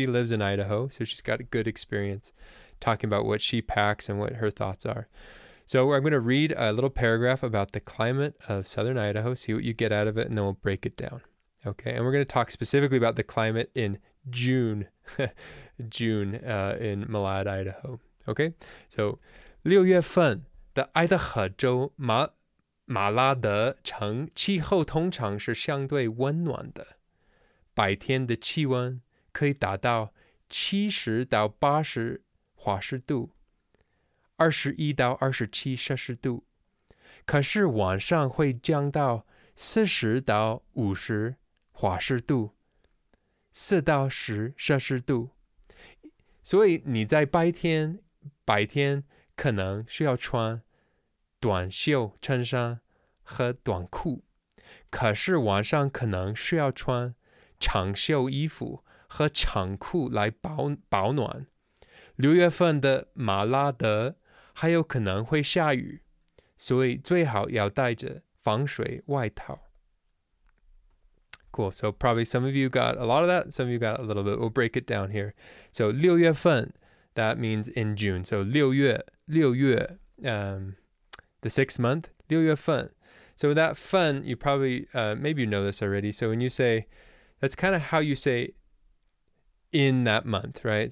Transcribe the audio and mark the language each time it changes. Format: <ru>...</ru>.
<en>She lives in Idaho, so she's got a good experience talking about what she packs and what her thoughts are. So I'm going to read a little paragraph about the climate of southern Idaho, see what you get out of it, and then we'll break it down. Okay, and we're going to talk specifically about the climate in June. June in Malad, Idaho. Okay, so</en> <zh>六月份的爱达荷州马拉德城气候通常是相对温暖的，白天的气温可以达到70到80摄氏度，21到27摄氏度，可是晚上会降到40到50摄氏度，4到10摄氏度。所以你在白天可能需要穿短袖衬衫和短裤，可是晚上可能需要穿长袖衣服和长裤来保暖。六月份的马拉德还有可能会下雨，所以最好要带着防水外套。</zh> <en>Cool. So probably some of you got a lot of that. Some of you got a little bit. We'll break it down here. So</en> <zh>六月份,</zh> <en>that means in June. So</en> <zh>六月,</zh> <en>the sixth month,</en> <zh>六月份.</zh> <en>So that fun, you probably, maybe you know this already. So when you say, that's kind of how you say in that month, right?</en>